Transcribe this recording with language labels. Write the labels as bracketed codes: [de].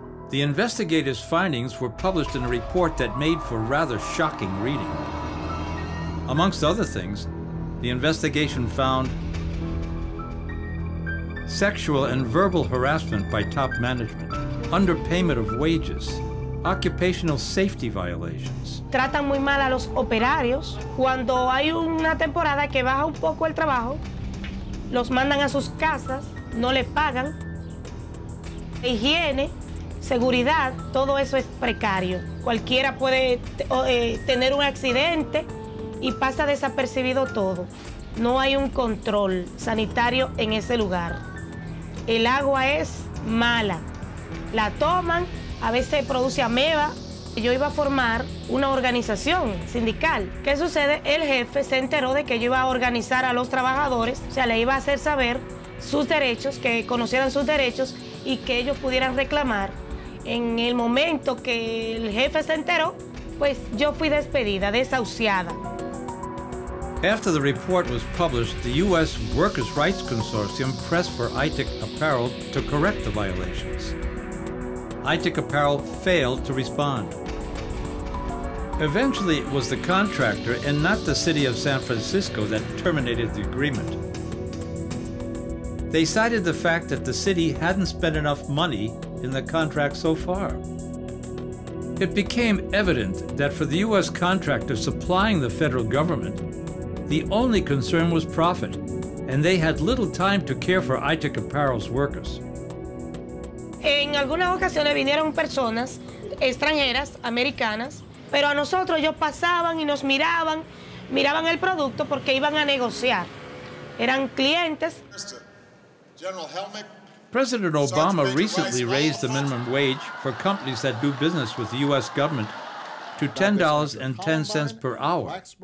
[en] The investigators' findings were published in a report that made for rather shocking reading. Amongst other things, the investigation found sexual and verbal harassment by top management, underpayment of wages, occupational safety violations. [es] Tratan muy mal a los operarios. Cuando hay una temporada que baja un poco el trabajo, los mandan a sus casas, no les pagan. Higiene, seguridad, todo eso es precario. Cualquiera puede tener un accidente y pasa desapercibido todo. No hay un control sanitario en ese lugar. El agua es mala. La toman, a veces produce ameba. Yo iba a formar una organización sindical. ¿Qué sucede? El jefe se enteró de que yo iba a organizar a los trabajadores, o sea, le iba a hacer saber sus derechos, que conocieran sus derechos y que ellos pudieran reclamar. En el momento que el jefe se enteró, pues yo fui despedida, desahuciada. [en] After the report was published, the U.S. Workers' Rights Consortium pressed for ITIC Apparel to correct the violations. ITIC Apparel failed to respond. Eventually, it was the contractor and not the city of San Francisco that terminated the agreement. They cited the fact that the city hadn't spent enough money in the contract so far. It became evident that for the U.S. contractor supplying the federal government, the only concern was profit, and they had little time to care for ITIC Apparel's workers. [es] En algunas ocasiones vinieron personas extranjeras, americanas, pero a nosotros ellos pasaban y nos miraban el producto porque iban a negociar. Eran clientes. [en] General Helmick. President Obama recently raised the minimum wage for companies that do business with the U.S. government to $10.10 per hour.